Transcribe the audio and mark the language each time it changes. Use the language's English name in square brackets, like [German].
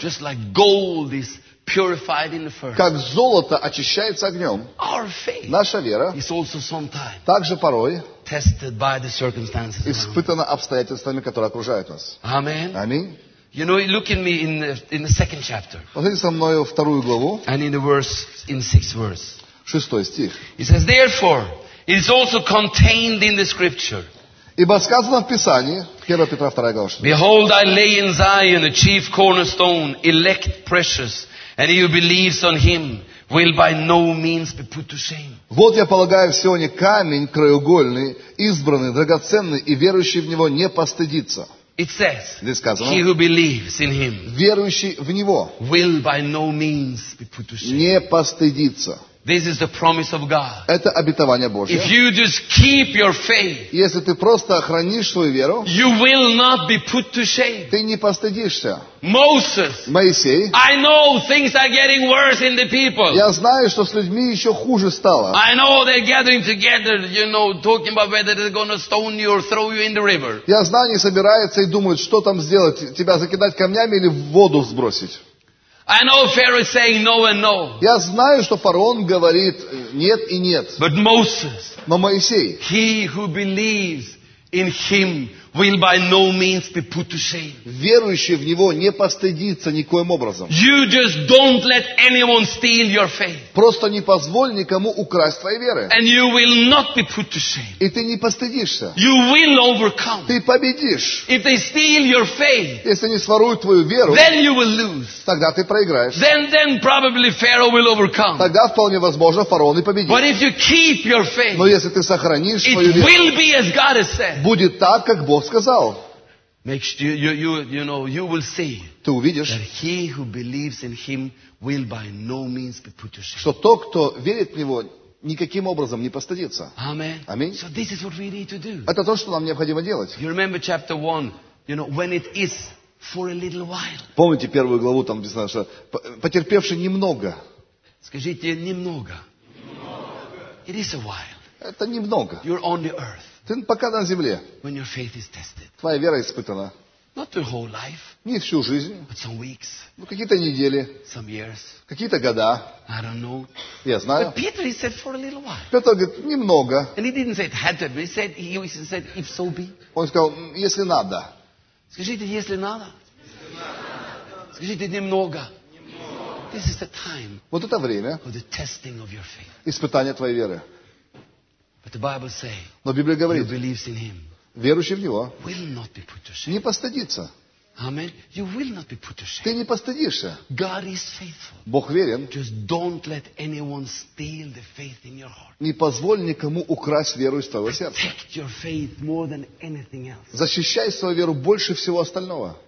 [English] Just like gold is purified in the furnace. [Russian] Как золото очищается огнем. [English] Our faith. [Russian] Наша вера. [English] Is also sometimes. [Russian] Также порой. [English] Tested by the circumstances. [Russian] Испытана обстоятельствами, которые окружают нас. [English] Amen. [Russian] Аминь. [English] You know, look at me in the second chapter. [Russian] Посмотрите со мною вторую главу. [English] And in the verse, in sixth verse. [Russian] Шестой стих. [English] He says, therefore, it is also contained in the scripture. [Russian] Ибо сказано в Писании. 1 Петра 2 глава. 6. [English] Behold, I lay in Zion a chief cornerstone, elect, precious. And he who believes on him will by no means be put to shame. [Russian] Вот я полагаю, в Сионе камень краеугольный, избранный, драгоценный, и верующий в него не постыдится. [English] It says, [Russian] здесь сказано, [English] he who believes in him [Russian] верующий в него [English] will by no means be put to shame. [Russian] Не постыдится. [English] This is the promise of God. [Russian] Это обетование Божье. [English] If you just keep your faith, [Russian] если ты просто хранишь свою веру, [English] you will not be put to shame. [Russian] Ты не постыдишься. [English] Moses, [Russian] Моисей, [English] I know things are getting worse in the people. [Russian] Я знаю, что с людьми еще хуже стало. [English] I know they're gathering together, you know, talking about whether they're going to stone you or throw you in the river. [Russian] Я знаю, они собираются и думают, что там сделать, тебя закидать камнями или в воду сбросить. [English] I know Pharaoh is saying no and no. [Russian] Я знаю, что фараон говорит нет и нет. [English] But Moses, [Russian] но Моисей, [English] he who believes in him will by no means be put to shame. [Russian] Верующий в него не постыдится никоим образом. [English] You just don't let anyone steal your faith. [Russian] Просто не позволь никому украсть твоей веры. [English] And you will not be put to shame. [Russian] И ты не постыдишься. [English] You will overcome. [Russian] Ты победишь. [English] If they steal your faith, [Russian] если они своруют твою веру, [English] then you will lose. [Russian] Тогда ты проиграешь. [English] Then probably Pharaoh will overcome. [Russian] Тогда вполне возможно фараон и победит. [English] But if you keep your faith, [Russian] но если ты сохранишь [English] it [Russian] свою веру, [English] will be as God has said. [Russian] Будет так, как Бог сказал. [English] You will see, [Russian] ты увидишь, [English] that he who believes in him will by no means be put to shame. [Russian] Что тот, кто верит в него, никаким образом не постыдится. Аминь. [English] So this is what we need to do. [Russian] Это то, что нам необходимо делать. [English] You remember chapter 1, you know, when it is for a little while. [Russian] Помните первую главу, там написано, что потерпевший немного. Скажите, немного. [English] It is a while. [Russian] Это немного. [English] You're on the earth. [Russian] Ты пока на земле. [English] When your faith is tested. [Russian] Твоя вера испытана. [English] Not your whole life. [Russian] Не всю жизнь. [English] But some weeks. [Russian] Ну, какие-то недели. [English] Some years. [Russian] Какие-то года. [English] I don't know. [Russian] Я знаю. [English] But Peter, he said for a little while. [Russian] Петр говорит, немного. [English] And he didn't say it had to be. He said, if so be. [Russian] Он сказал, если надо. Скажите, если надо. Скажите, немного. [English] This is the time. [Russian] Вот это время. [English] For the testing of your faith. [Russian] Испытание твоей веры. [English] But the Bible says, [Russian] но Библия говорит, [English] who believes in him, [Russian] верующий в него, [English] will not be put to shame. [Russian] Не постыдится. [English] Amen. You will not be put to shame. [Russian] Ты не постыдишься. [English] God is faithful. [Russian] Бог верен. [English] Just don't let anyone steal the faith in your heart. [Russian] Не позволь никому украсть веру из твоего сердца. [English] Protect your faith more than anything else. [Russian] Защищай свою веру больше всего остального.